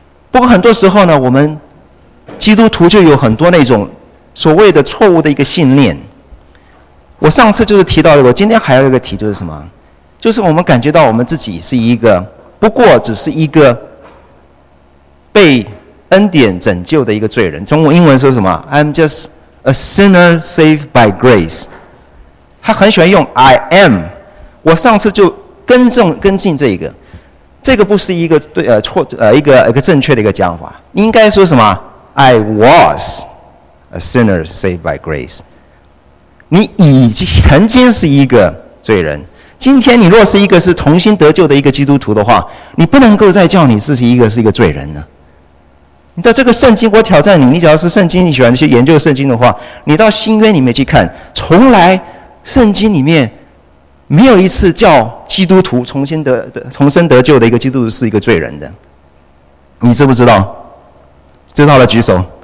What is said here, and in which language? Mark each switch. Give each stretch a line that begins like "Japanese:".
Chinese: 不过很多时候呢，我们基督徒就有很多那种所谓的错误的一个信念。我上次就是提到的，我今天还有一个题，就是什么，就是我们感觉到我们自己是一个不过只是一个被恩典拯救的一个罪人。中文英文说什么，
English: I'm just a sinner saved by grace。
Chinese: 他很喜欢用 I am。我上次就跟进这个不是一个对一个正确的一个讲法，你应该说什么？
English: I was a sinner saved by grace。
Chinese: 你已经曾经是一个罪人，今天你若是一个是重新得救的一个基督徒的话，你不能够再叫你自己是一个罪人呢。你在这个圣经，我挑战你，你只要是圣经，你喜欢去研究圣经的话，你到新约里面去看，从来圣经里面没有一次叫基督徒重生得救的一个基督徒是一个罪人的，你知不知道？知道了举手。